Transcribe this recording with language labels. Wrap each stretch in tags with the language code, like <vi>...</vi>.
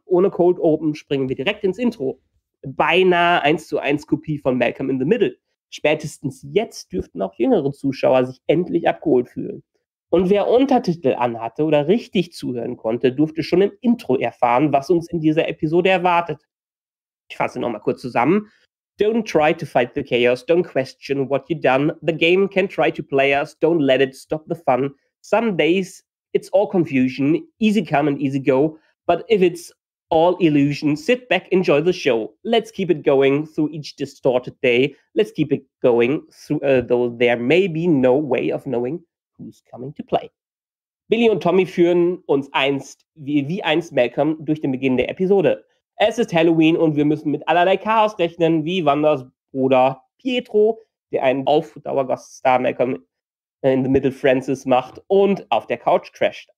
<de>Ohne Cold Open springen wir direkt ins Intro. Beinahe 1:1 Kopie von Malcolm in the Middle. Spätestens jetzt dürften auch jüngere Zuschauer sich endlich abgeholt fühlen. Und wer Untertitel anhatte oder richtig zuhören konnte, durfte schon im Intro erfahren, was uns in dieser Episode erwartet. Ich fasse nochmal kurz zusammen.</de> <en>Don't try to fight the chaos, don't question what you've done. The game can try to play us, don't let it stop the fun. Some days it's all confusion, easy come and easy go. But if it's all illusion, sit back, enjoy the show. Let's keep it going through each distorted day. Let's keep it going through, though there may be no way of knowing who's coming to play.</en> <de>Billy und Tommy führen uns einst, wie einst Malcolm, durch den Beginn der Episode. Es ist Halloween und wir müssen mit allerlei Chaos rechnen, wie Wandas Bruder Pietro, der einen Aufdauergaststar Malcolm in the Middle Francis macht und auf der Couch crasht.</de>